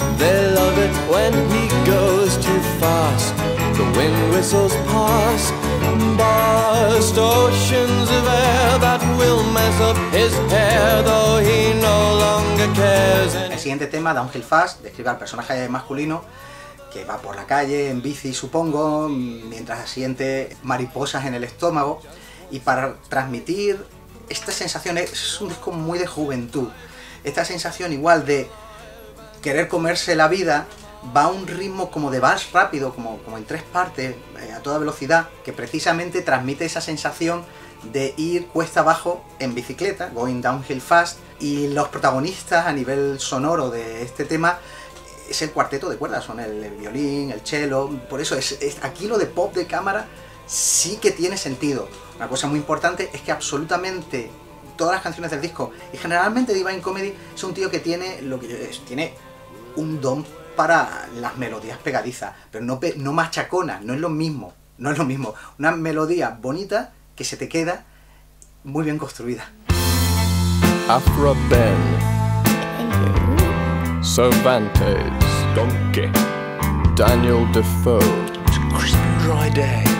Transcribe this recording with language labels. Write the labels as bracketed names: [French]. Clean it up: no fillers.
[English] They love it when he goes too fast. The wind whistles past, burst oceans of air that will mess up his hair, though he no longer cares. [Spanish] El siguiente tema, Downhill Fast, describe al personaje masculino que va por la calle en bici, supongo, mientras siente mariposas en el estómago, y para transmitir esta sensación, es un disco muy de juventud, esta sensación igual de querer comerse la vida, va a un ritmo como de vals rápido, como en tres partes, a toda velocidad, que precisamente transmite esa sensación de ir cuesta abajo en bicicleta, [English] going downhill fast, [Spanish] y los protagonistas a nivel sonoro de este tema es el cuarteto de cuerdas, son el violín, el cello, por eso es aquí lo de pop de cámara sí que tiene sentido. Una cosa muy importante es que absolutamente todas las canciones del disco, y generalmente Divine Comedy, es un tío que tiene lo que es, tiene un don para las melodías pegadizas, pero no machacona, no es lo mismo. Una melodía bonita que se te queda muy bien construida. Afro Ben. [English] Cervantes, Donkey, Daniel Defoe, it's Christmas dry day.